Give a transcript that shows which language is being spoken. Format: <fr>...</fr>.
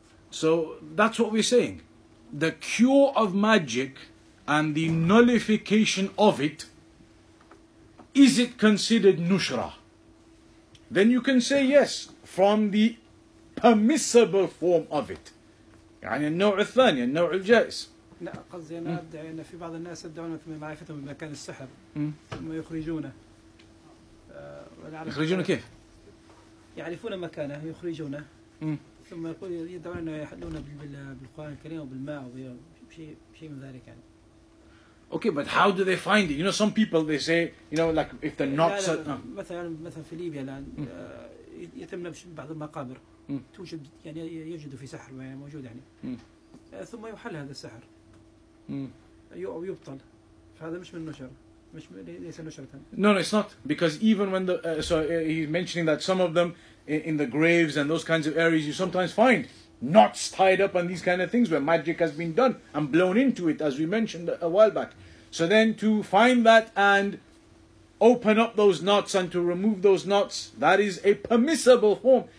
<en>So that's what we're saying. The cure of magic and the nullification of it, is it considered nushra? Then you can say yes, from the permissible form of it.</en> <ar>يعني النوع الثاني, النوع الجائز. لا قصدي أنا أدعي أن في بعض الناس يدعون معرفتهم بمكان السحر ثم يخرجونه. يخرجونه كيف؟ يعرفون مكانه يخرجونه. ثم يقول يدعون أنه يحلون بالقرآن الكريم وبالماء وبشيء من ذلك يعني.</ar> <en>Okay, but how do they find it? You know, some people, they say, you know, like if the knots are...</en> <ar>مثلا في ليبيا الآن يتم نبش بعض المقابر توجد يعني يجد في سحر موجود يعني ثم يحل هذا السحر أو يبطل فهذا مش من نشر مش ليس نشرة.</ar> <en>No, no, it's not. Because even when the... he's mentioning that some of them in the graves and those kinds of areas you sometimes find knots tied up and these kind of things where magic has been done and blown into it, as we mentioned a while back. So then to find that and open up those knots and to remove those knots, that is a permissible form.</en>